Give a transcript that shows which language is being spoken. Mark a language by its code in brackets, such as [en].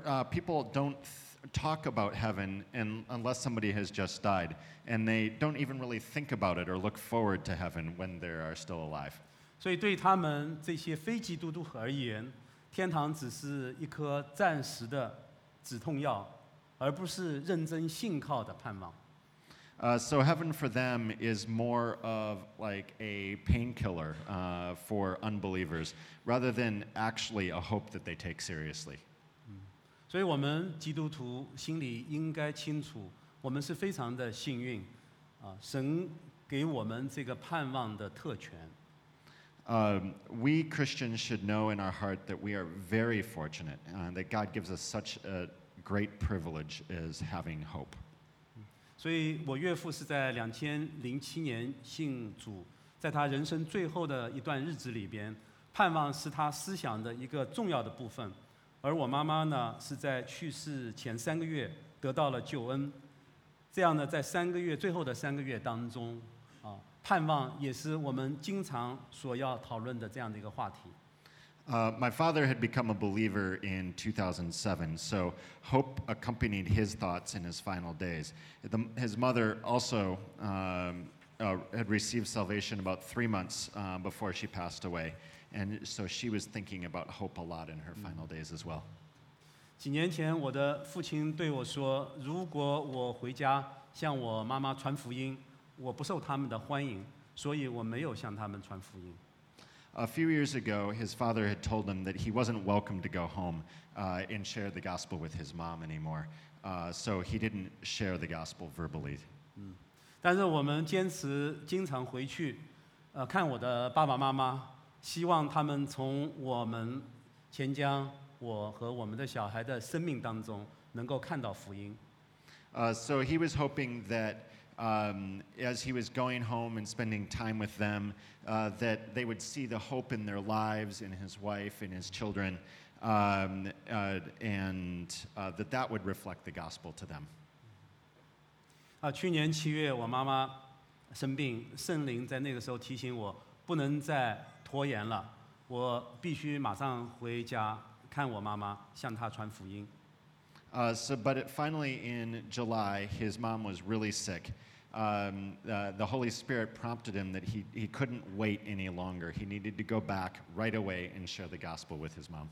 [en] People don't talk about heaven unless somebody has just died, and they don't even really think about it or look forward to heaven when they are still alive. [zh] 所以对他们这些非基督徒而言，天堂只是一颗暂时的止痛药，而不是认真信靠的盼望。 [en] So heaven for them is more of like a painkiller for unbelievers rather than actually a hope that they take seriously. [zh] 所以我们基督徒心里应该清楚，我们是非常的幸运，神给我们这个盼望的特权。 [en] We Christians should know in our heart that we are very fortunate, and that God gives us such a great privilege as having hope. [zh] 所以我岳父是在2007年信主，在他人生最后的一段日子里边，盼望是他思想的一个重要的部分。而我妈妈呢，是在去世前三个月得到了救恩，这样呢，在三个月最后的三个月当中，啊，盼望也是我们经常所要讨论的这样的一个话题。 [en] My father had become a believer in 2007, so hope accompanied his thoughts in his final days. His mother also had received salvation about 3 months before she passed away, and so she was thinking about hope a lot in her final days as well. [zh] 几年前，我的父亲对我说，如果我回家向我妈妈传福音，我不受他们的欢迎，所以我没有向他们传福音。 [en] A few years ago, his father had told him that he wasn't welcome to go home and share the gospel with his mom anymore. So he didn't share the gospel verbally. [zh] 但是我们坚持经常回去，看我的爸爸妈妈，希望他们从我们钱江，我和我们的小孩的生命当中能够看到福音。 [en] So he was hoping that as he was going home and spending time with them, that they would see the hope in their lives, in his wife, in his children, and that that would reflect the gospel to them. [zh] 去年七月我妈妈生病，圣灵在那个时候提醒我不能再拖延了，我必须马上回家看我妈妈，向她传福音。 [en] But finally in July, his mom was really sick. The Holy Spirit prompted him that he couldn't wait any longer. He needed to go back right away and share the gospel with his mom.